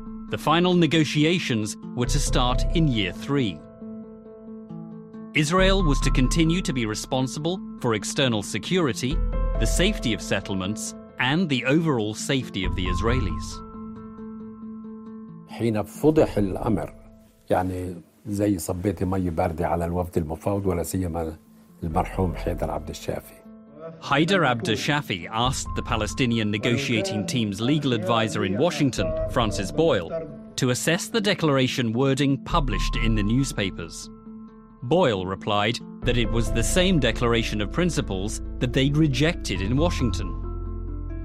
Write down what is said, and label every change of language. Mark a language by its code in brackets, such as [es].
[en] The final negotiations were to start in year three. Israel was to continue to be responsible for external security, the safety of settlements, and the overall safety of the Israelis. [ar] حين فضح الأمر يعني زي صبيت مي باردة على الوفد المفاوض ولا سيما المرحوم حيدر عبد الشافي. [en] Haider Abd al-Shafi asked the Palestinian negotiating team's legal advisor in Washington, Francis Boyle, to assess the declaration wording published in the newspapers. Boyle replied that it was the same declaration of principles that they'd rejected in Washington.